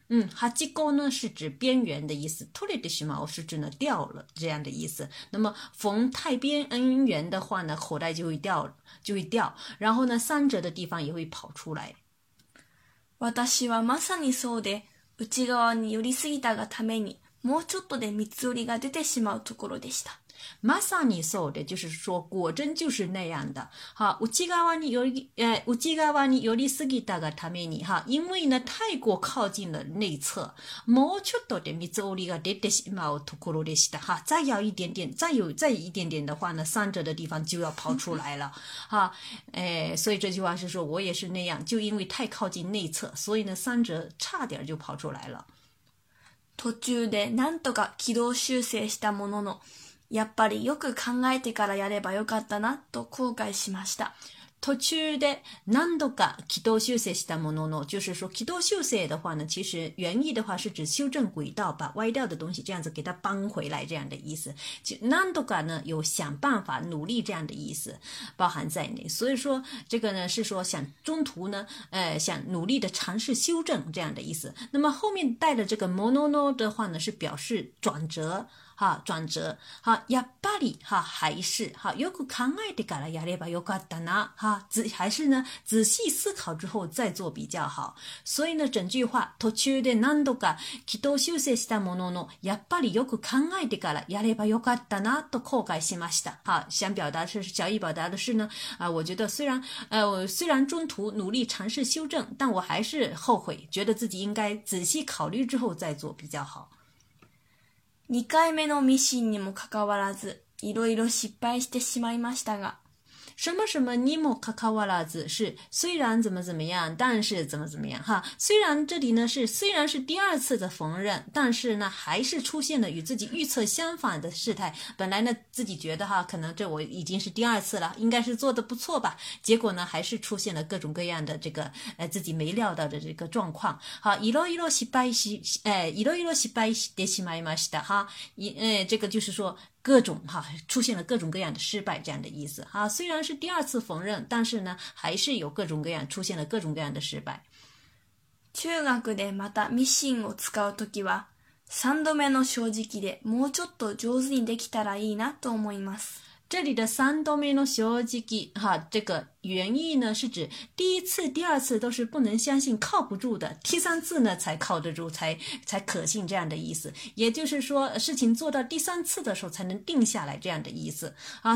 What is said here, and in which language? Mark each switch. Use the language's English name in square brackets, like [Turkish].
[Chinese] 嗯，哈基勾呢是指边缘的意思，脱了的是吗？我是指呢掉了这样的意思。那么缝太边缘的话呢，口袋就会掉，然后呢三折的地方也会跑出来。 [Japanese] 私はまさにそうで、内側に寄りすぎたがためにもうちょっとで三つ折りが出てしまうところでした。まさにそうで， [Chinese] 就是说果真就是那样的。哈， [Japanese] 内側に寄りすぎたがために， [Chinese] 哈，因为呢太过靠近了内侧。 [Japanese] もうちょっとで三つ折りが出てしまうところでした。 [Chinese] 哈，再要一点点，再一点点的话呢，三折的地方就要跑出来了。哈，所以这句话是说我也是那样，就因为太靠近内侧，所以呢三折差点就跑出来了。 [Japanese] 途中で何とか軌道修正したものの、やっぱりよく考えてからやればよかったなと後悔しました。途中で何度か軌道修正したものの， [Chinese] 就是说軌道修正的话呢，其实原意的话是指修正轨道，把歪掉的东西这样子给它搬回来这样的意思。何度か呢有想办法努力这样的意思包含在内，所以说这个呢是说想中途呢，想努力的尝试修正这样的意思。那么后面带的这个ものの的话呢，是表示转折。哈，转折，哈， [Japanese] やっぱり， [Chinese] 哈，还是，哈， [Japanese] よく考えてからやればよかったな， [Chinese] 哈，还是呢，仔细思考之后再做比较好。所以呢，整句话 [Japanese] 途中で何度か軌道修正したものの、やっぱりよく考えてからやればよかったなと後悔しました。 [Chinese] 哈，想表达的是，小易表达的是呢，啊，我觉得虽然中途努力尝试修正，但我还是后悔，觉得自己应该仔细考虑之后再做比较好。 [Japanese] 二回目のミシンにもかかわらず、いろいろ失敗してしまいましたが。 [Chinese] 什么什么にもかかわらず是虽然怎么怎么样，但是怎么怎么样哈。虽然这里呢是虽然是第二次的缝纫，但是呢还是出现了与自己预测相反的事态。本来呢自己觉得哈，可能这我已经是第二次了，应该是做得不错吧。结果呢还是出现了各种各样的这个自己没料到的这个状况。 [Japanese] 好，いろいろ失敗し，いろいろ失敗してしまいました哈。 [Chinese] 这个就是说。各种哈，出现了各种各样的失败这样的意思哈。虽然是第二次缝纫，但是呢，还是有各种各样出现了各种各样的失败。 [Japanese] 中学でまたミシンを使うときは、三度目の正直でもうちょっと上手にできたらいいなと思います。 [Chinese] 这里的三度目の正直哈，这个原意呢是指第一次、第二次都是不能相信、靠不住的，第三次呢才靠得住、才可信这样的意思。也就是说，事情做到第三次的时候才能定下来这样的意思啊。